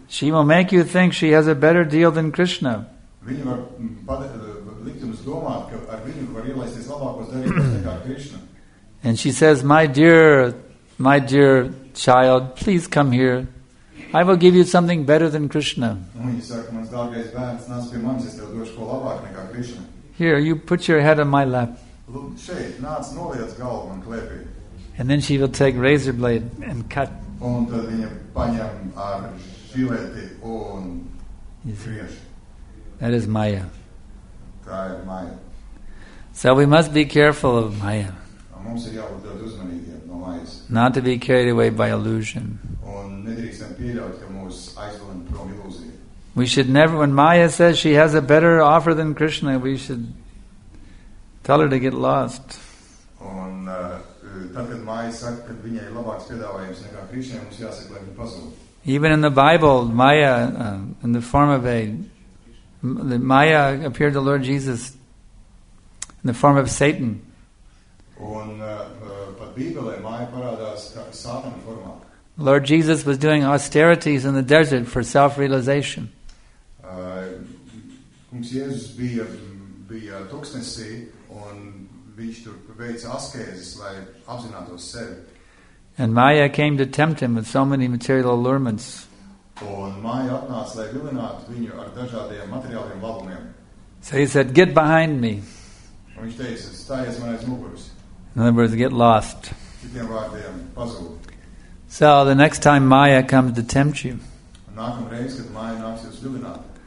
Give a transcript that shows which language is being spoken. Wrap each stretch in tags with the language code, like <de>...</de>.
<en>She will make you think she has a better deal than Krishna.</en> <lv>Viņa var likt jums domāt, ka ar viņu var ielaisties labākos darījumus nekā Krishna.</lv> <en>And she says, my dear child, please come here. I will give you something better than Krishna.</en> <lv>Viņa saka, mans dārgais bērns, nāc pie manis, es tev došu ko labāk nekā Krishna.</lv> <en>Here, you put your head on my lap.</en> <lv>Šeit, nāc noliec galvu man klēpī.</lv> <en>And then she will take razor blade and cut.</en> <lv>Un tad viņa paņem ar žileti un griež.</lv> <en>That is Maya.</en> <lv>Tā ir Maya.</lv> <en>So we must be careful of Maya.</en> <lv>Mums ir jābūt ļoti uzmanīgiem no Mayas.</lv> <en>Not to be carried away by illusion.</en> <lv>Un nedrīkstam pieļaut, ka mūs aizvien prom ilūzija.</lv> <en>We should never, when Maya says she has a better offer than Krishna, we should tell her to get lost.</en> <lv>Un tad, kad Maya saka, kad viņai ir labāks piedāvājums nekā Krishna, mums jāsaka, lai viņa pazūd.</lv> <en>Even in the Bible, Maya, in the form of a Maya appeared to Lord Jesus in the form of Satan.</en> <lv>Un pat Bībelē Maya parādās kā Sātana formā.</lv> <en>Lord Jesus was doing austerities in the desert for self-realization.</en> <lv>Kungs Jēzus bija tuksnesī un viņš tur veica askēzes, lai apzinātos sevi.</lv> <en>And Maya came to tempt him with so many material allurements.</en> <lv>Un Maya atnāca, lai vilinātu viņu ar dažādiem materiāliem labumiem.</lv> <en>So he said, get behind me.</en> <lv>Un viņš teica, stājies man aiz muguras.</lv> <en>In other words, get lost.</en> <lv>Citiem vārdiem, pazūd.</lv> <en>So the next time Maya comes to tempt you,</en> <lv>nākamreiz, kad Maya nāks jūs vilināt,</lv>